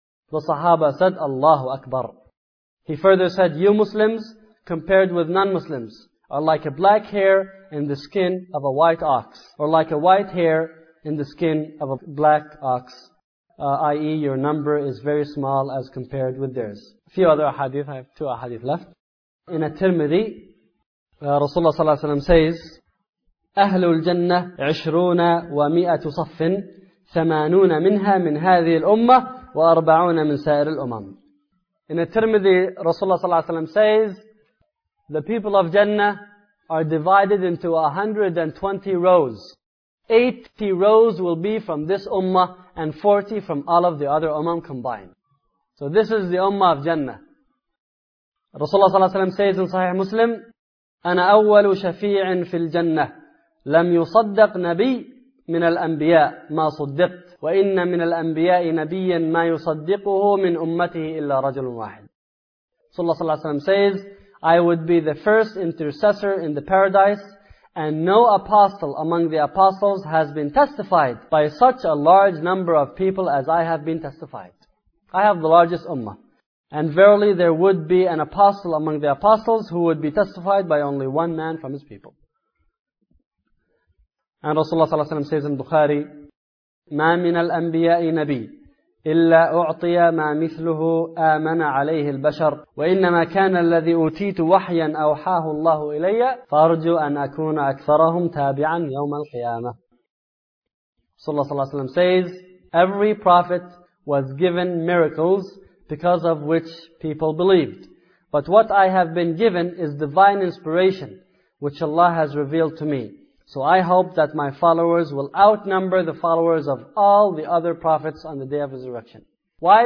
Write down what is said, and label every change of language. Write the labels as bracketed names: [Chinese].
[English] The Sahaba said, Allahu Akbar. He further said, you Muslims, compared with non-Muslims, are like a black hair in the skin of a white ox, or like a white hair in the skin of a black ox, i.e. your number is very small as compared with theirs. A few other ahadith, I have two ahadith left. [Arabic] In a Tirmidhi, Rasulullah sallallahu alayhi wa sallam says, أهل الجنة 20 و100 صف 80 منها من هذه الأمة و40 من سائر الأمم. [English] In a Tirmidhi, Rasulullah [Arabic] صلى الله عليه وسلم [English] says, the people of Jannah are divided into 120 rows. 80 rows will be from this Ummah and 40 from all of the other Ummah combined. So this is the ummah of Jannah. [Arabic] Rasulullah sallallahu alayhi wa sallam says in Sahih Muslim, أنا أول شفيع في الجنة لم يصدق نبي من الأنبياء ما صدقت وإن من الأنبياء نبيا ما يصدقه من أمته إلا رجل واحد. [English] Rasulullah sallallahu alayhi wa sallam says, I would be the first intercessor in the paradise, and no apostle among the apostles has been testified by such a large number of people as I have been testified. I have the largest ummah. And verily there would be an apostle among the apostles who would be testified by only one man from his people. [Arabic] And Rasulullah sallallahu alayhi wa sallam says in Bukhari, مَا مِنَ الْأَنْبِيَاءِ نَبِيٍّ إلا أعطي ما مثله آمن عليه البشر وإنما كان الذي أوتيت وحيا أوحاه الله إلي فأرجو أن أكون أكثرهم تابعا يوم القيامة. [English] Rasulullah sallallahu alayhi wa sallam says, every prophet was given miracles because of which people believed. But what I have been given is divine inspiration which Allah has revealed to me. So I hope that my followers will outnumber the followers of all the other prophets on the day of resurrection. Why?